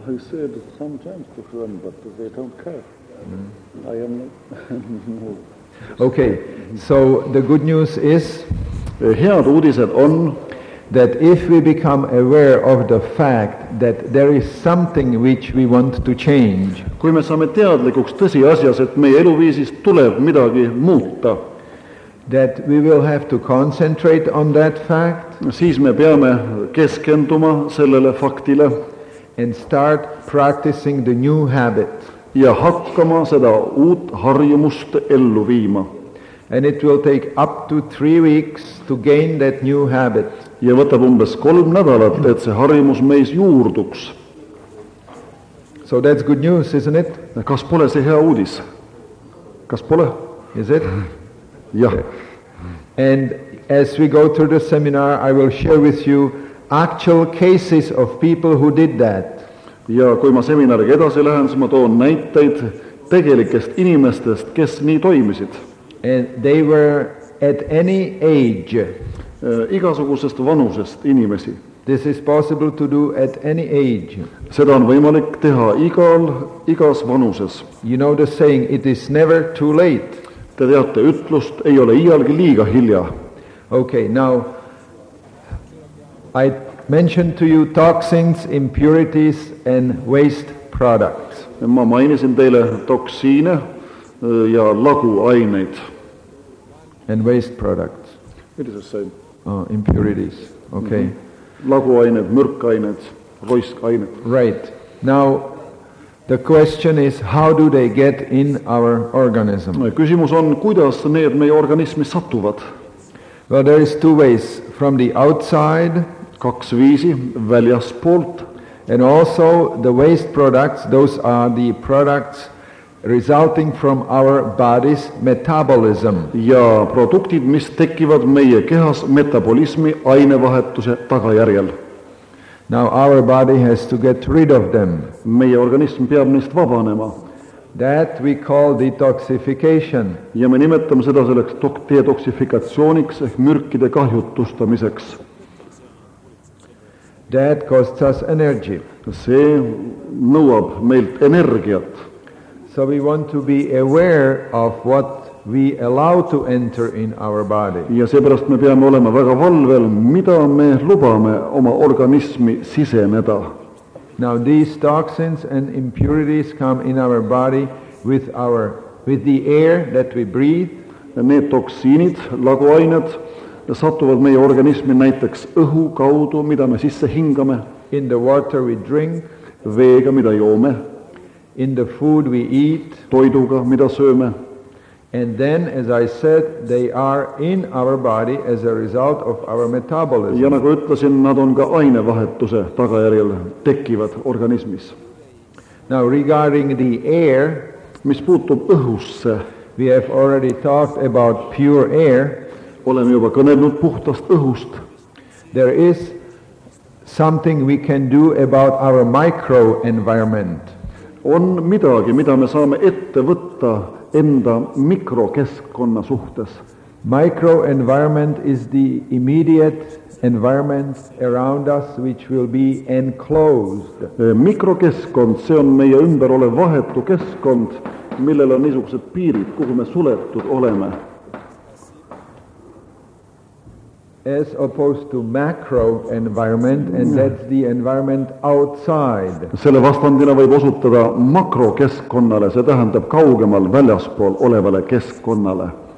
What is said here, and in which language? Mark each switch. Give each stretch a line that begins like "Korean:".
English: Said sometimes to them, but they don't care. I am not. Okay, so the good news is
Estonian: Head uudised on
English: that if we become aware of the fact that there is something which we want to change,
Estonian: kui me saame teadlikuks tõsi asjas, et meie eluviisist tuleb midagi muuta,
English: that we will have to concentrate on that fact,
Estonian: siis me peame keskenduma sellele faktile,
English: and start practicing the new habit.
Estonian: Ja hakkama seda uut harjumust ellu viima.
English: And it will take up to 3 weeks to gain that new habit.
Estonian: Ja võtab umbes 3 nädalat, et see harjumus meis juurduks.
English: So that's good news, isn't it?
Estonian: Kas pole see hea uudis? Kas pole?
English: Is it?
Estonian: Jah.
English: And as we go through the seminar, I will share with you actual cases of people who did that.
Estonian: Ja kui ma seminariga edasi lähen, siis ma toon näiteid tegelikest inimestest, kes nii toimisid.
English: And they were at any age.
Estonian: Igasugusest vanusest inimesi.
English: This is possible to do at any age.
Estonian: Seda on võimalik teha igas vanuses.
English: You know the saying, it is never too late.
Estonian: Te teate ütlust, ei ole iialgi liiga hilja.
English: Okay, now I mentioned to you toxins, impurities and waste products.
Estonian: Ma mainisin teile toksiine, ja laguaineid.
English: And waste products. It is the same. Oh, impurities. Okay.
Estonian: Mm-hmm. Laguaineid, mürkaineid, roiskaineid.
English: Right. Now, the question is, how do they get in our organism?
Estonian: Küsimus on, kuidas need meie organismi satuvad?
English: Well, there is two ways. From the outside.
Estonian: Kaks viisi, väljaspoolt.
English: And also the waste products, those are the products resulting from our body's metabolism.
Estonian: Ja produktid, mis tekivad meie kehas metabolismi ainevahetuse tagajärjel.
English: Now our body has to get rid of them.
Estonian: Meie organism peab neist vabanema.
English: That we call detoxification.
Estonian: Ja me nimetame seda selleks detoxifikatsiooniks, ehk mürkide kahjutustamiseks.
English: That costs us energy.
Estonian: See nõuab meilt energiat.
English: So we want to be aware of what we allow to enter in our body.
Estonian: Ja seepärast me peame olema väga valvel, mida me lubame oma organismi sisemeda.
English: Now these toxins and impurities come in our body with the air that we breathe.
Estonian: Need toksiinid, laguained, sattuvad meie organismi näiteks õhu kaudu, mida me sisse hingame.
English: In the water we drink.
Estonian: Veega, mida joome.
English: In the food we eat.
Estonian: Toiduga, mida sööme.
English: And then, as I said, they are in our body as a result of our metabolism.
Estonian: Ja nagu ütlesin, nad on ka ainevahetuse tagajärjel tekivad organismis.
English: Now, regarding the air,
Estonian: mis puutub õhusse,
English: we have already talked about pure air.
Estonian: Oleme juba kõnelnud puhtast õhust.
English: There is something we can do about our microenvironment.
Estonian: On midagi, mida me saame ette võtta enda mikrokeskkonna suhtes.
English: Microenvironment is the immediate environment around us which will be enclosed.
Estonian: Mikrokeskkond, see on meie ümber olev vahetu keskkond, millel on niisugused piirid, kuhu me suletud oleme.
English: As opposed to macro environment, and that's the environment outside.
Estonian: Selle vastandina võib osutada makrokeskkonnale, see tähendab kaugemal väljaspool olevale keskkonnale.